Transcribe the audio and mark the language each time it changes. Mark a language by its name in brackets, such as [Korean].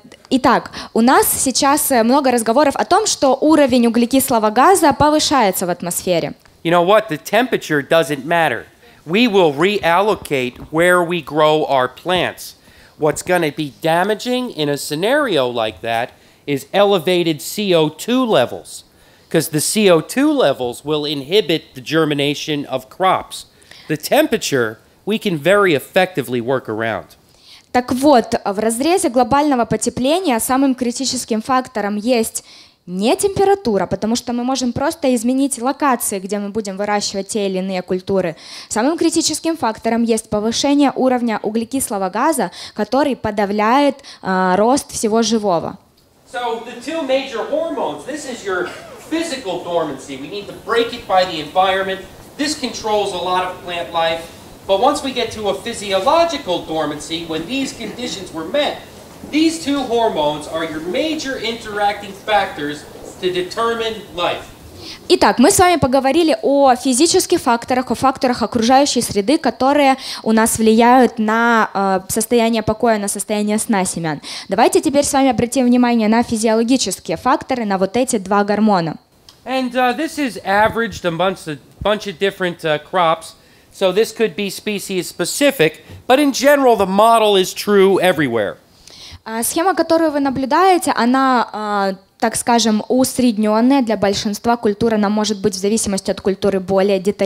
[Russian] Итак, у нас сейчас много разговоров о том, что уровень углекислого газа повышается в атмосфере. [English] You know what? The temperature doesn't matter. We will reallocate where we grow our plants. What's going to be damaging in a scenario like that is elevated CO2 levels, because the CO2 levels will inhibit the germination of crops. The temperature, we can very effectively work around. [Russian] Так вот, в разрезе глобального потепления самым критическим фактором есть не температура, потому что мы можем просто изменить локации, где мы будем выращивать те или иные культуры. Самым критическим фактором есть повышение уровня углекислого газа, который подавляет рост всего живого. [English] So the two major hormones, this is your physical dormancy. We need to break it by the environment. This controls a lot of plant life. But once we get to a physiological dormancy, when these conditions were met, these two hormones are your major interacting factors to determine life. [Russian] Итак, мы с вами поговорили о физических факторах, о факторах окружающей среды, которые у нас влияют на состояние покоя, на состояние сна семян. Давайте теперь с вами обратим внимание на физиологические факторы, на вот эти два гормона. [English] And this is averaged amongst a bunch of different crops, so this could be species specific, but in general the model is true everywhere. [Russian] Схема, которую вы наблюдаете, она... так скажем, усредненная для большинства культур, она может быть в зависимости от культуры более